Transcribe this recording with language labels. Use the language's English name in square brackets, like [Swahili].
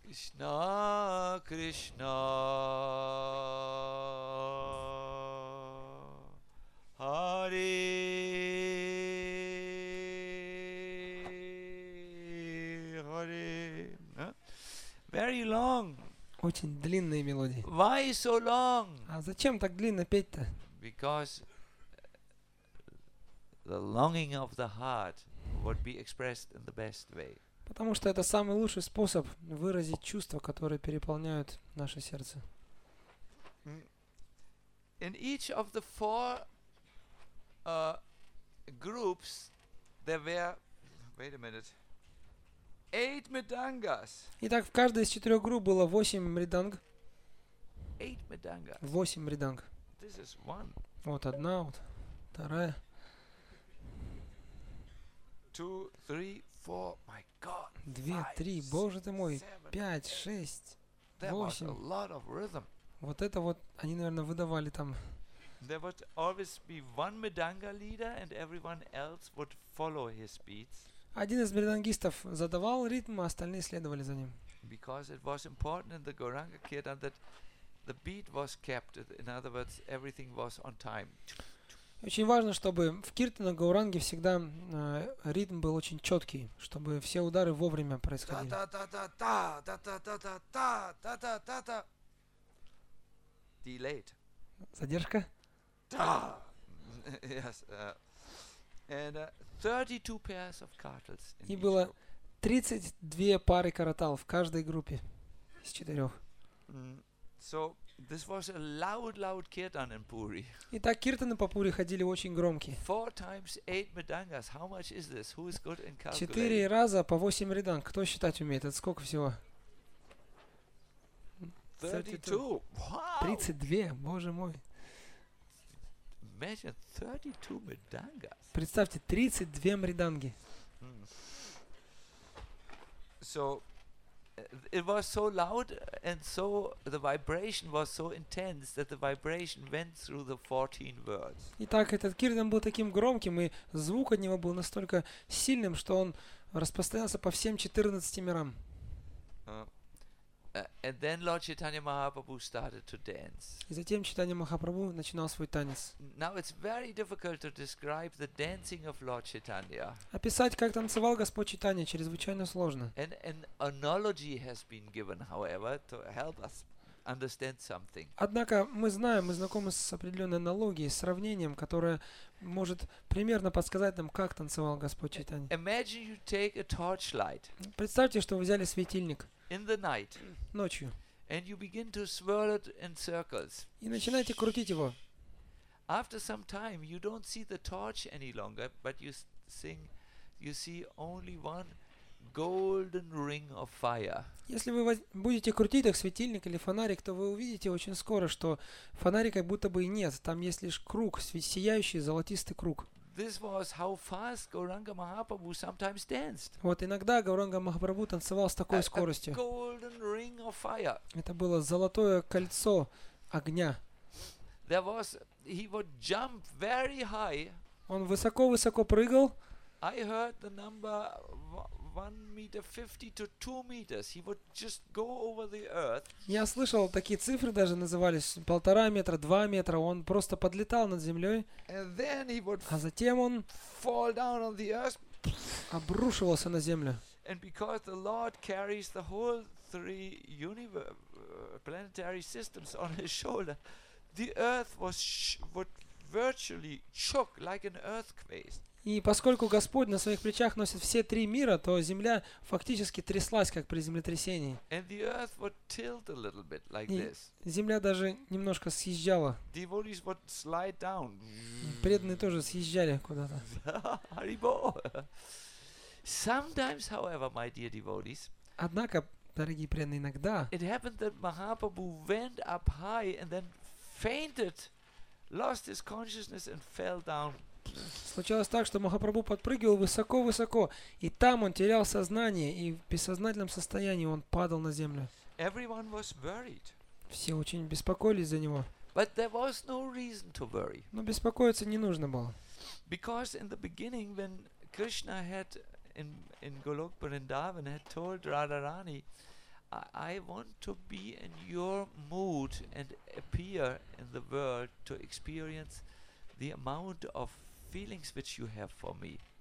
[English] Krishna, Hare Hare. Very long. [Russian] Очень длинные мелодии. [English] Why so long? [Russian] А зачем так длинно петь-то? [English] Because the longing of the heart would be expressed in the best way. [Russian] Потому что это самый лучший способ выразить чувства, которые переполняют наше сердце. [English] In each of the four groups there were, wait a minute, 8 mridangas. [Russian] Итак, в каждой из четырех групп было 8 мриданг. [English] 8 мридангас. [Russian] 8 мриданг. [English] This is one. [Russian] Вот одна, вот вторая. [English] 2, 3, 4, my God. [Russian] 2, 3, Боже ты мой, 5, 6, 8. Вот это вот они, наверное, выдавали там. [English] There would always be one mridanga leader, and everyone else would follow his beats. [Russian] Один из мридангистов задавал ритм, а остальные следовали за ним. [English] Because it was important in the Gauranga Kirtan that the beat was kept. In other words, everything was on time. [Russian] Очень важно, чтобы в киртанах Гауранге всегда ритм был очень четкий, чтобы все удары вовремя происходили. Та-та-та-та-та-та-та-та-та-та-та-та-та. [English] Delayed. [Russian] Задержка? [English] Та. Yes. And 32 pairs of cartels. [Russian] И было 32 пары каратал в каждой группе из четырех. [English] So this was a loud, loud kirtan in Puri. [Russian] Итак, киртаны по Пури ходили очень громкие. [English] 4 times 8 мридангас. How much is this? Who is good in calculating? [Russian] 4 раза по 8 мриданг. Кто считать умеет? Это сколько всего? [English] 32. [Russian] Боже мой. [English] Imagine 32 мридангас. [Russian] Представьте, 32 мриданги. [English] So it was so loud and so the vibration was so intense that the vibration went through the 14 words. [Russian] Итак, этот киртан был таким громким, и звук от него был настолько сильным, что он распространялся по всем 14 мирам. [English] And then Lord Chaitanya Mahaprabhu started to dance. [Russian] И затем Чайтанья Махапрабху начинал свой танец. [English] Now it's very difficult to describe the dancing of Lord Chaitanya. [Russian] Описать, как танцевал Господь Чайтанья, чрезвычайно сложно. [English] And an analogy has been given, however, to help us understand something. [Russian] Однако мы знаем, мы знакомы с определенной аналогией, сравнением, которое может примерно подсказать нам, как танцевал Господь Чайтанья. [English] Imagine you take a torchlight. [Russian] Представьте, что вы взяли светильник. [English] In the night. [Russian] Ночью. [English] And you begin to swirl it in circles. [Russian] И начинаете крутить его. [English] After some time, you don't see the torch any longer, but you see only one golden ring of fire. [Russian] Если вы будете крутить их, светильник или фонарик, то вы увидите очень скоро, что фонарика будто бы и нет. Там есть лишь круг, сияющий золотистый круг. [English] This was how fast Gauranga Mahaprabhu sometimes danced. [Russian] Вот иногда Гауранга Махапрабху танцевал с такой скоростью. [English] A golden ring of fire. [Russian] Это было золотое кольцо огня. [English] There was, he would jump very high. [Russian] Он высоко-высоко прыгал. [English] I heard the number 1 meter 50 to 2 meters. He would just go over the earth. [Russian] Я слышал, такие цифры даже назывались 1.5 метра, 2 метра. Он просто подлетал над землей. [English] And then he would, [Russian] а затем он [English] fall down on the earth, [Russian] обрушивался на землю. [English] And because the Lord carries the whole 3 universe, planetary systems on his shoulder, the earth would virtually shook like an earthquake. [Russian] И поскольку Господь на своих плечах носит все три мира, то земля фактически тряслась, как при землетрясении. [English] And the earth would tilt a little bit like this. [Russian] Земля даже немножко съезжала. [English] Devotees would slide down. [Russian] Преданные тоже съезжали куда-то. [English] Haribo. Sometimes, however, my dear devotees, [Russian] однако, дорогие преданные, иногда [English] it happened that Mahaprabhu went up high and then fainted, lost his consciousness and fell down. [Russian] Случалось так, что Махапрабху подпрыгивал высоко-высоко, и там он терял сознание, и в бессознательном состоянии он падал на землю. [English] Everyone was worried. [Russian] Все очень беспокоились за него. [English] But there was no reason to worry. [Russian] Но беспокоиться не нужно было. [English] Because in the beginning, when Krishna had in Golok Vrindavan had told Radharani, I want to be in your mood and appear in the world to experience the amount of feelings which you have for me.